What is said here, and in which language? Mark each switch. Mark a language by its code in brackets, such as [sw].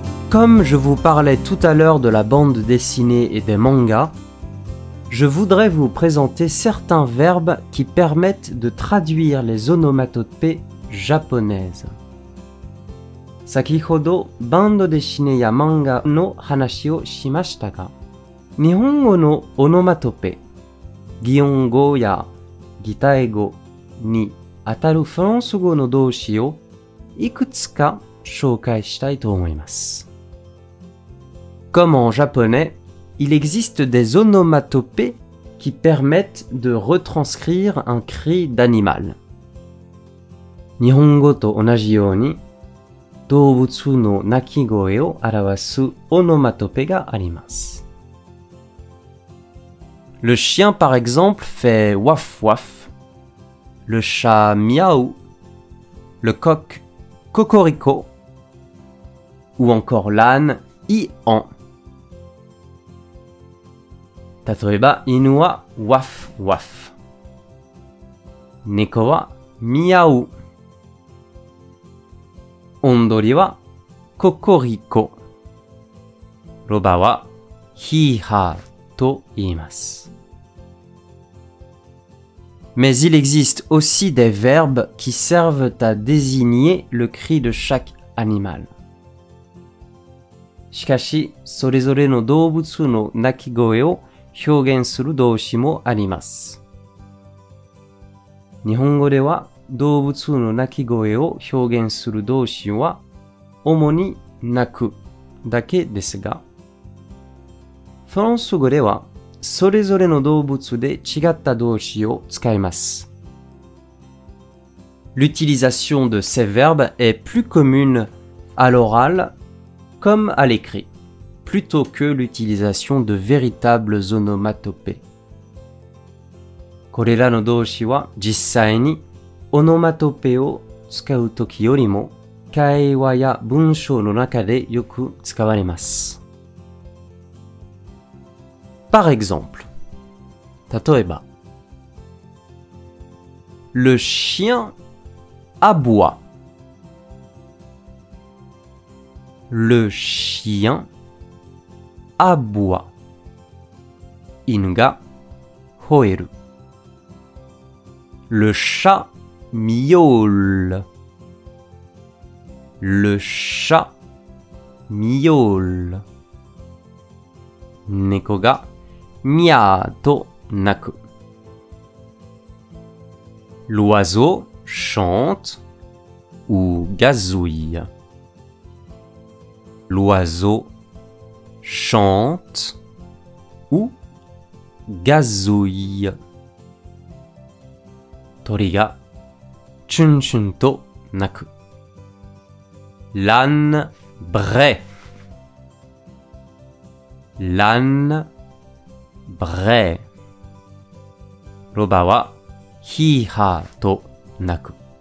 [fr] Comme je vous parlais tout à l'heure de la bande dessinée et des mangas, je voudrais vous présenter certains verbes qui permettent de traduire les onomatopées japonaises. [ja] 先ほどバンドデシネや漫画の話をしましたが、日本語のオノマトペ、擬音語や擬態語にあたるフランス語の動詞をいくつか紹介したいと思います。 [fr] Comme en japonais, il existe des onomatopées qui permettent de retranscrire un cri d'animal. [ja] 日本語と同じように、動物の鳴き声を表すオノマトペがあります。 [fr] Le chien, par exemple, fait waf waf. Le chat, miaou. Le coq, cocorico. Ou encore l'âne, i-an. [ja] 例えば、犬は waf waf。猫は miaou。オンドリはココリコ、ロバはヒーハーと言います。 [fr] Mais il existe aussi des verbes qui servent à désigner le cri de chaque animal. [ja] しかし、それぞれの動物の鳴き声を表現する動詞もあります。日本語では動物の鳴き声を表現する動詞は主に鳴くだけですが、フランス語ではそれぞれの動物で違った動詞を使います。 [fr] L'utilisation de ces verbes est plus commune à l'oral comme à l'écrit, plutôt que l'utilisation de véritables onomatopées. [ja] これらの動詞は実際にオノマトペを使うときよりも会話や文章の中でよく使われます。 [fr] Par exemple, [ja] 例えば、 [fr] Le chien aboie. Le chien aboie. [ja] 犬が吠える。 [fr] Le chat miaule. Le chat miaule. [ja] 猫がミャーと鳴く。 [fr] L'oiseau chante ou gazouille. L'oiseau chante ou gazouille. [ja] 鳥がチュンチュンと鳴く。 [fr] L'âne brait. L'âne brait. [ja] ロバはヒーハーと鳴く。